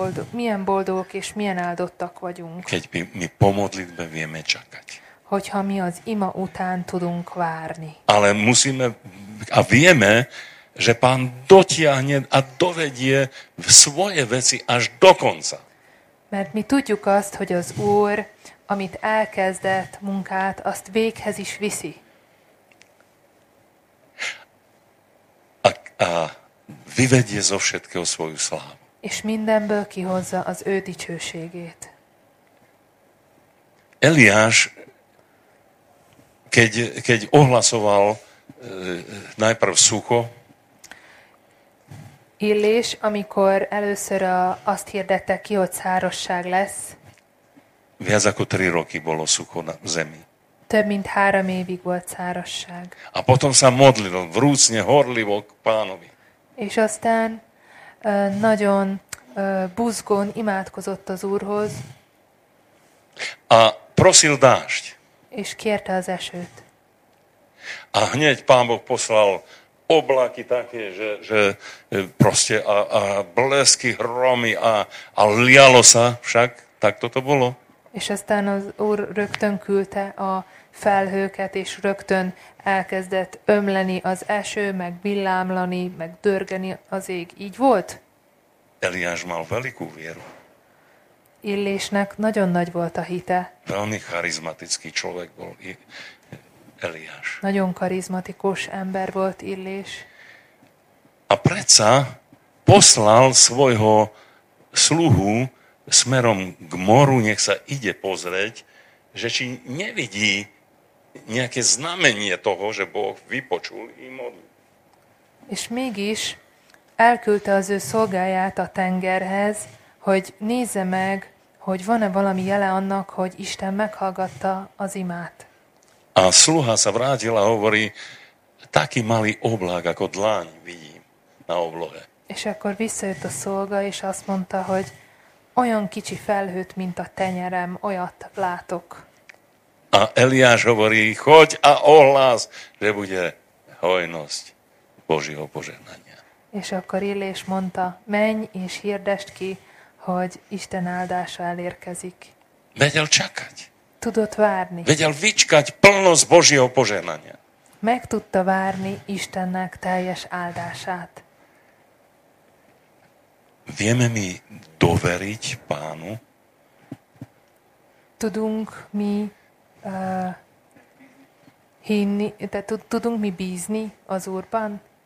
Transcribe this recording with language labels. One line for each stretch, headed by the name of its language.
Hungarian: Milyen boldogok és milyen áldottak vagyunk.
Slovak: Keď mi pomodlitbe vieme čakať.
Hungarian: Hogyha mi az ima után tudunk várni.
Slovak: Ale musíme a vieme, že Pán dotiahne a dovedie svoje veci až do konca.
Hungarian: Mert mi tudjuk azt, hogy az Úr, amit elkezdett munkát, azt véghez is viszi.
Slovak: A vyvedie zo všetkého svoju slávu.
Hungarian: És mindenből kihozza az ő dicsőségét.
Slovak: Eliáš, keď ohlasoval najprv sucho,
Hungarian: Illés, amikor először azt hirdette ki, hogy szárosság lesz,
Slovak: viac ako 3 roky bolo sucho na zemi.
Hungarian: Több mint 3 évig volt szárosság.
Slovak: A potom sa modlil vrúcne, horlivo k pánovi.
Hungarian: És aztán nagyon buzgón imádkozott az Úrhoz.
Slovak: A prosil dážď.
Hungarian: És kérte az esőt.
Slovak: A hneď Pán Boh poslal oblaky také, že proste a blesky, hromy a lialo sa však. Tak toto bolo.
Hungarian: És aztán az Úr rögtön küldte a felhőket, és rögtön elkezdett ömleni az eső, meg villámlani, meg dörgeni az ég. Így volt?
Slovak: Eliáš mal veľkú vieru.
Hungarian: Illésnek nagyon nagy volt a hite.
Slovak: Veľmi charizmatický človek bol Eliáš.
Hungarian: Nagyon karizmatikus ember volt Illés.
Slovak: A predsa poslal svojho sluhu smerom k moru, nech sa ide pozrieť, že či nevidí nejaké znamenie toho, že Boh vypočul i modlil.
Hungarian: És mégis elküldte az ő szolgáját a tengerhez, hogy nézze meg, hogy van-e valami jele annak, hogy Isten meghallgatta az imát.
Slovak: A sluha sa vrátil a hovorí, taký malý oblak, ako dláň vidím na oblohe.
Hungarian: És akkor visszajött a szolga, és azt mondta, hogy olyan kicsi felhőt, mint a tenyerem, olyat látok.
Slovak: A Eliáš hovorí, choď a ohlás, že bude hojnosť Božího požehnania.
Hungarian: És akkor Illés mondta, menj és hirdest ki, hogy Isten áldása elérkezik.
Slovak: Vedel csakať.
Hungarian: Tudott várni.
Slovak: Vedel vičkať plnosť Božieho požehnania.
Hungarian: Meg tudta várni Istennek teljes áldását.
Slovak: Vieme mi doveriť Pánu?
Hungarian: Tudunk mi hinni, tudunk mi bízni az Úrban?